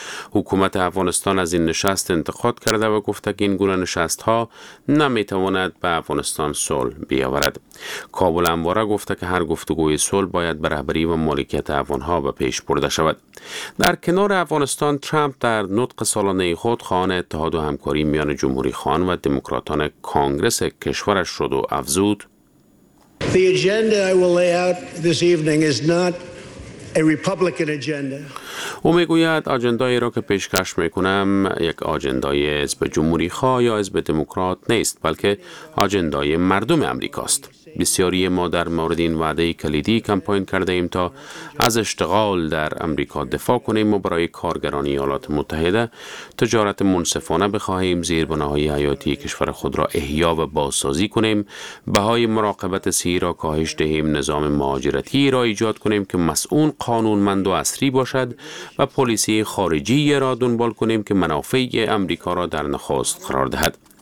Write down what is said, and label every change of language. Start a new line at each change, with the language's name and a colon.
Persian: حکومت افغانستان از این نشست انتقاد کرده و گفته که این گونه نشست‌ها نمیتواند به افغانستان صلح بیاورد. کابل انواره گفته که هر گفتگوی صلح باید به رهبری و مالکیت افغانها به پیش برده شود. در کنار افغانستان، ترامپ در نطق سالانه خود خواهان اتحاد و همکاری میان جمهوری خان و دموکراتان کانگرس کشورش شد و افزود:
English: The agenda I will lay out this evening is not a Republican agenda.
Persian: او میگوید اجندایی را که پیشکش میکنم یک اجندای حزب جمهوری خواه یا حزب دموکرات نیست، بلکه اجندای مردم امریکاست. بسیاری ما در مورد این وعده کلیدی کمپاین کرده ایم تا از اشتغال در امریکا دفاع کنیم و برای کارگران ایالات متحده تجارت منصفانه بخواهیم، زیربناهای حیاتی کشور خود را احیا و بازسازی کنیم، بهای مراقبت سی را کاهش دهیم، نظام مهاجرتی را ایجاد کنیم که مسئول قانونمند و اصری باشد و پلیسی خارجی را دنبال کنیم که منافع امریکا را در نخست قرار دهد.